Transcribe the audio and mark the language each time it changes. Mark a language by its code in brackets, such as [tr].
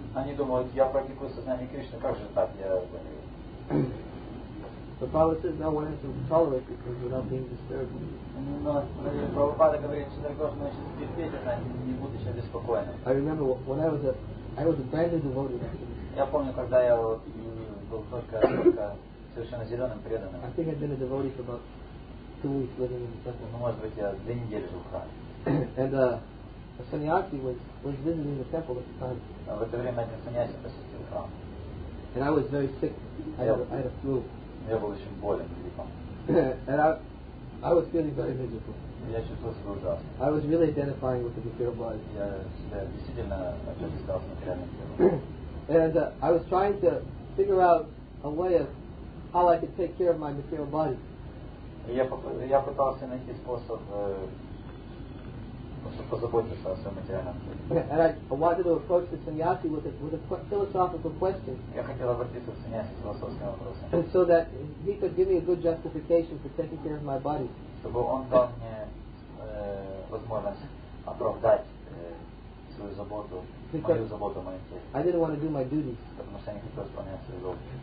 [ru] Они думают, я практикую сознание Кришны, как же так я болею? [en] The Prabhupada says no one has to tolerate because without being disturbed. [ru] Но Прабхупада говорит, что человек должен научиться терпеть это, не будучи обеспокоенным. [en] I remember when I was a brand new devotee. [ru] Я помню, когда я был только совершенно зеленым преданным. [en] I think I'd been a devotee for about 2 weeks living in the temple. [ru] Ну, может быть, я 2 недели жил в храме. [en] And a sannyasi was visiting the temple at the time. [ru] В это время один sannyasi посетил храм. [en] And I was very sick. I had a flu. [ru] Я был очень болен, типа. [en] I was feeling very miserable. [ru] Я чувствовал себя ужасно. [en] I was really identifying with the material body. [ru] Я себя действительно отождествлял с материальным телом. [en] And I was trying to figure out a way of how I could take care of my material body. [ru] Я пытался найти способ позаботиться о своем материальном теле. [en] And I wanted to approach the sannyasi with a philosophical question. [ru] Я хотел обратиться к сannyasi с философским вопросом. [en] And so that he could give me a good justification for taking care of my body. [ru] Чтобы он дал мне возможность оправдать свою заботу, мою заботу о моем теле. [en] I didn't want to do my duties. [ru] Потому что я не хотел исполнять свои заботы.